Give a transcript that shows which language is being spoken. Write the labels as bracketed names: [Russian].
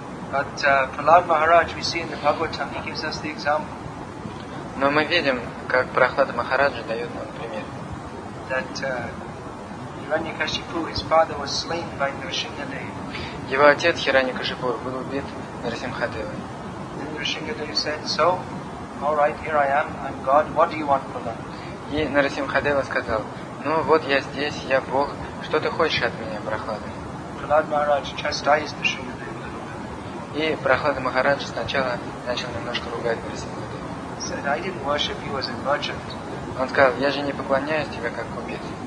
[English] But Prahlad Maharaj, we see in the Bhagavatam, he gives us the example. [Russian] Но мы видим, как Прахлад Махараджа дает нам пример. [English] That Hiranyakashipu, his father was slain by Nrisimhadeva. [Russian] Его отец Хираньякашипу был убит Нрисимхадевой. [English] Then Nrisimhadeva said, "So, all right, here I am. I'm God. What do you want, Prahlad?" [Russian] И Нрисимхадева сказал: "Ну вот я здесь, я Бог. Что ты хочешь от меня, Прахлад?" [English] Prahlad Maharaj chastised Nrisimhadeva. [Russian] И Прахлада Махарадж сначала начал немножко ругать Нарасимхадеву. Он сказал, я же не поклоняюсь тебе как купец.